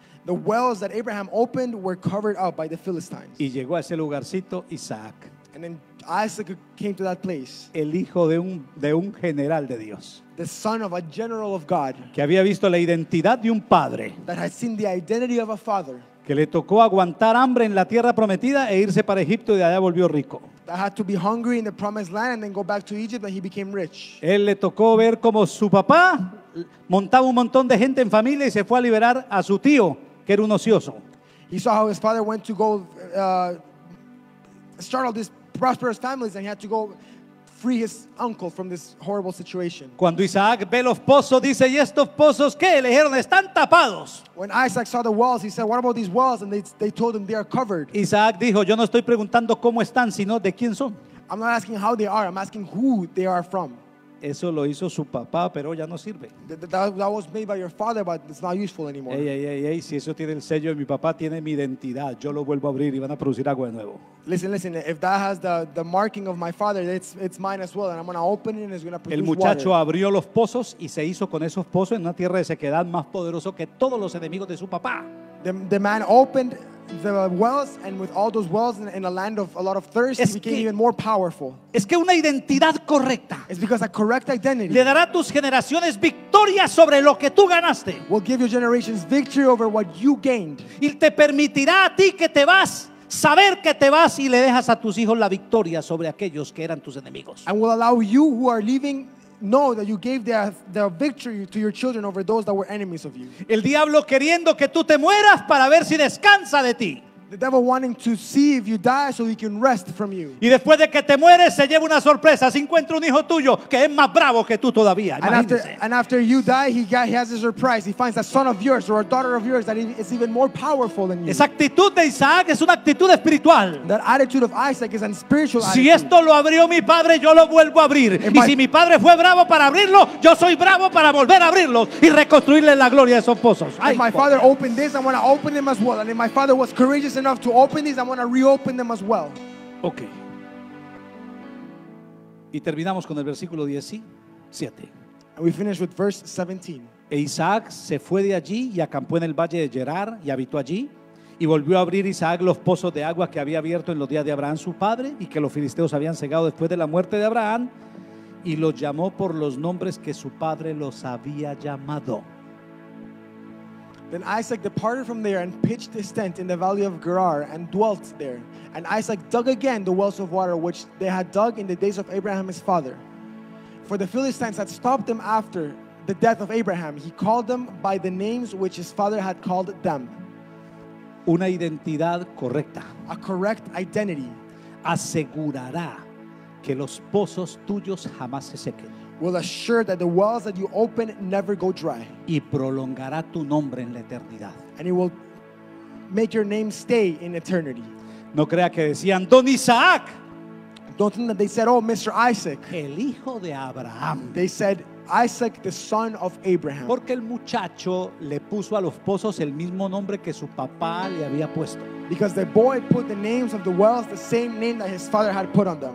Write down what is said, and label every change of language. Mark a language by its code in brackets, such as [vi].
[en] The wells that Abraham opened were covered up by the Philistines. [es] Y llegó a ese lugarcito Isaac. [en] And then Isaac came to that place. [es] El hijo de un general de Dios. [en] The son of a general of God. [es] Que había visto la identidad de un padre. [en] That had seen the identity of a father. [es] Que le tocó aguantar hambre en la tierra prometida e irse para Egipto y de allá volvió rico. [en] That had to be hungry in the promised land and then go back to Egypt and he became rich. [es] Él le tocó ver cómo su papá montaba un montón de gente en familia y se fue a liberar a su tío, que era un ocioso. [en] He saw how his father went to go start all these prosperous families and he had to go free his uncle from this horrible situation. [es] Cuando Isaac ve los pozos, dice, ¿y estos pozos qué? Le dijeron, están tapados. [en] When Isaac saw the wells, he said, what about these wells? And they told him they are covered. [es] Isaac dijo, yo no estoy preguntando cómo están, sino de quién son. [en] I'm not asking how they are, I'm asking who they are from. [es] Eso lo hizo su papá, pero ya no sirve. [en] That was made by your father, but it's not useful anymore. [es] Hey, si eso tiene el sello de mi papá, tiene mi identidad. Yo lo vuelvo a abrir y van a producir agua de nuevo. [en] Listen, if that has the marking of my father, it's mine as well, and I'm going to open it and it's going to produce [es] El muchacho [en] water. [es] Abrió los pozos y se hizo con esos pozos en una tierra de sequedad más poderoso que todos los enemigos de su papá. [en] The man opened the wells, and with all those wells in a land of a lot of thirst, [es] es [en] he became even more powerful. [es] Es que una identidad correcta. [en] It's because a correct identity [es] le dará a tus generaciones victoria sobre lo que tú ganaste. [en] Will give your generations victory over what you gained. [es] Y te permitirá a ti que te vas, saber que te vas y le dejas a tus hijos la victoria sobre aquellos que eran tus enemigos. [en] And will allow you who are leaving know that you gave the victory to your children over those that were enemies of you. [es] El diablo queriendo que tú te mueras para ver si descansa de ti. [en] The devil wanting to see if you die so he can rest from you. [es] Y después de que te mueres se lleva una sorpresa, se encuentra un hijo tuyo que es más bravo que tú todavía. [en] And after you die he has a surprise. He finds a son of yours or a daughter of yours that is even more powerful than you. [es] Esa actitud de Isaac es una actitud espiritual. [en] That attitude of Isaac is a spiritual attitude. [es] Si esto lo abrió mi padre, yo lo vuelvo a abrir. Y si mi padre fue bravo para abrirlo, yo soy bravo para volver a abrirlo y reconstruirle la gloria de esos pozos. [en] If my father opened this, I want to open them as well. And if my father was courageous enough to open these, I'm going to reopen them as well. Okay. [es] Y terminamos con el versículo 17. [en] And we finish with verse 17. [es] E Isaac se fue de allí y acampó en el valle de Gerar y habitó allí. Y volvió a abrir Isaac los pozos de agua que había abierto en los días de Abraham su padre y que los filisteos habían cegado después de la muerte de Abraham, y los llamó por los nombres que su padre los había llamado. [en] Then Isaac departed from there and pitched his tent in the valley of Gerar and dwelt there. And Isaac dug again the wells of water which they had dug in the days of Abraham his father. For the Philistines had stopped them after the death of Abraham. He called them by the names which his father had called them. [es] Una identidad correcta. [en] A correct identity. [es] Asegurará que los pozos tuyos jamás se sequen. [en] Will assure that the wells that you open never go dry. [es] Y prolongará tu nombre en la eternidad. [en] And it will make your name stay in eternity. [es] No crea que decían Don Isaac. [en] Don't think that they said, oh, Mr. Isaac. [es] El hijo de Abraham. [en] They said, Isaac, the son of Abraham. [es] Porque el muchacho le puso a los pozos el mismo nombre que su papá le había puesto. [en] Because the boy put the names of the wells the same name that his father had put on them.